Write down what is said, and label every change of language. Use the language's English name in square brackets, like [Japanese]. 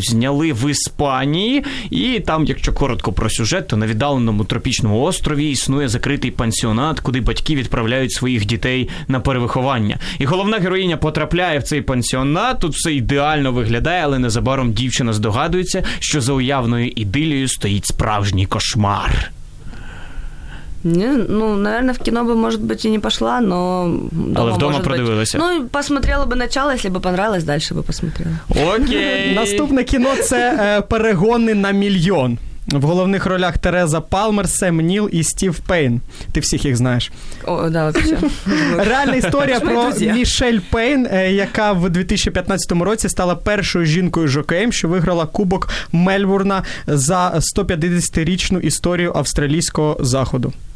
[Ukrainian] Зняли в Іспанії, і там, якщо коротко про сюжет, то на віддаленому тропічному острові існує закритий пансіонат, куди батьки відправляють своїх дітей на перевиховання. І головна героїня потрапляє в цей пансіонат, тут все ідеально виглядає, але незабаром дівчина здогадується, що за уявною ідилією стоїть справжній кошмар. [Russian] Не, ну, наверное, в кино бы, может быть, и не пошла, но... [Ukrainian] Але вдома продивилася. [Russian] Ну, посмотрела бы начало, если бы понравилось, дальше бы посмотрела. [Ukrainian] Окей. Наступне кіно – це «Перегони на мільйон». В головних ролях Тереза Палмер, Сем Ніл і Стів Пейн. Ти всіх їх знаєш. [Russian] О, да, вообще. [Ukrainian] Реальна історія про Мішель Пейн, яка в 2015 році стала першою жінкою жокеєм, що виграла кубок Мельбурна за 150-річну історію австралійського заходу.